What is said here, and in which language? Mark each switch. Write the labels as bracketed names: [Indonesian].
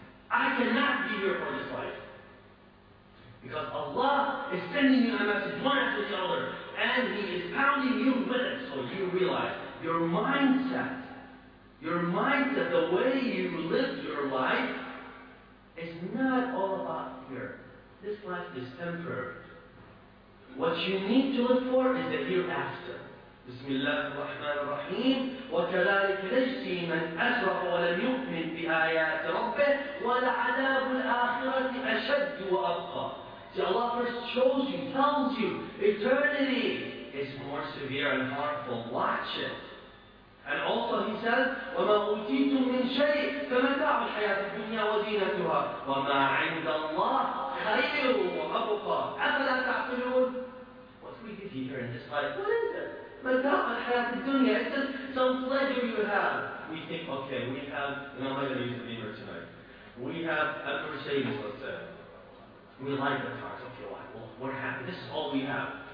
[English] I cannot be here for this life. Because Allah is sending you a message one after the other, and He is pounding you with it. So you realize your mindset, the way you live your life, is not all about here. This life is temporary. What you need to look for is the hereafter. [Arabic] بسم الله الرحمن الرحيم وكذلك نجزي من أسرف ولم يؤمن بآيات ربه ولعذاب الآخرة أشد وأبقى. [English] See, Allah first shows you, tells you, eternity is more severe and harmful. Watch it. And also He says, [Arabic] وما أوتيتم من شيء فمتاع الحياة الدنيا وزينتها وما عند الله خير وأبقى أفلا تعقلون. [English] What we did here in this life, what is it? It's just some pleasure you have. We think, okay, we have, you know, I'm not going to use the beamer tonight. We have a Mercedes, let's say. We like the cars. Okay, why? Well, we're happy. This is all we have.